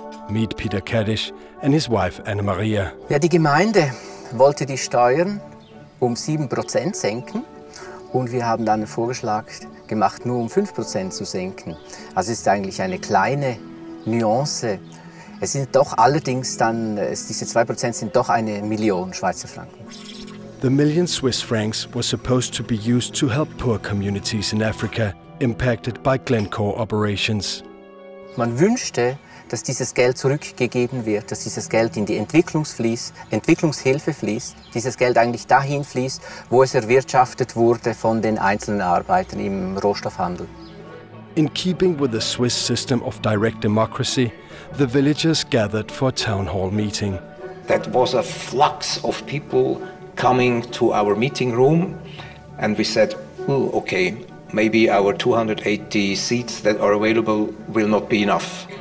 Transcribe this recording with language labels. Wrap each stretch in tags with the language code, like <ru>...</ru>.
<en>Meet Peter Kaddisch and his wife Anna Maria.</en> <de>Ja, die Gemeinde wollte die Steuern um 7% senken und wir haben dann einen Vorschlag gemacht, nur um 5% zu senken. Also es ist eigentlich eine kleine Nuance. Es sind doch allerdings dann, diese 2% sind doch eine Million Schweizer Franken.</de> <en>The million Swiss francs were supposed to be used to help poor communities in Africa impacted by Glencore operations.</en> <de>Man wünschte, dass dieses Geld zurückgegeben wird, dass dieses Geld in die Entwicklungshilfe fließt, dieses Geld eigentlich dahin fließt, wo es erwirtschaftet wurde von den einzelnen Arbeitern im Rohstoffhandel.</de> <en>In keeping with the Swiss system of direct democracy, the villagers gathered for a town hall meeting. That was a flux of people coming to our meeting room, and we said, okay, maybe our 280 seats that are available will not be enough.</en>